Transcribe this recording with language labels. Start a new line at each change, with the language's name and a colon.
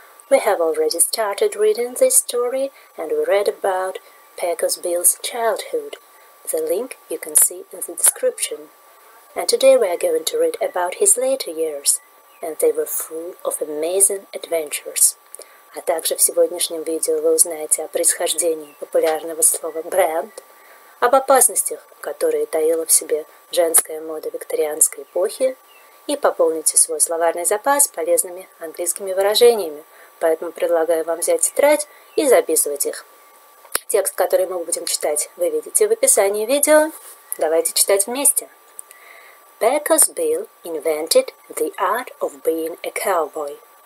English: We have already started reading this story and we read about Pecos Bill's childhood. The link you can see in the description. And today we are going to read about his later years, and they were full of amazing adventures.
Russian: А также в сегодняшнем видео вы узнаете о происхождении популярного слова «бренд», об опасностях, которые таила в себе женская мода викторианской эпохи, и пополните свой словарный запас полезными английскими выражениями. Поэтому предлагаю вам взять тетрадь и записывать их. Текст, который мы будем читать, вы видите в описании видео. Давайте читать вместе.
English: Pecos Bill invented the art of being a cowboy.